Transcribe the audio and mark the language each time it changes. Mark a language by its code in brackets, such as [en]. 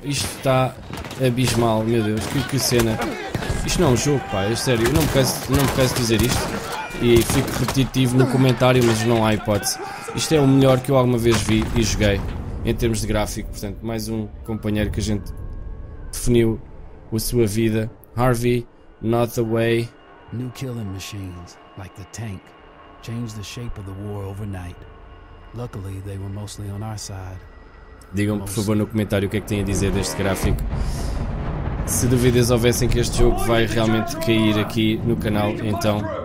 [pt] Isto está abismal, meu Deus, que cena. Isto não é um jogo, pá, é sério, eu não me canso de dizer isto. E fico repetitivo no comentário, mas não há hipótese. Isto é o melhor que eu alguma vez vi e joguei em termos de gráfico. Portanto, mais um companheiro que a gente definiu a sua vida. Harvey Notaway. [en] New killing machines, like the tank. changed the shape of the war overnight. Luckily, they were mostly on our side. [pt] Digam-me, por favor, no comentário o que é que têm a dizer deste gráfico. Se dúvidas houvessem que este jogo vai realmente cair aqui no canal, então...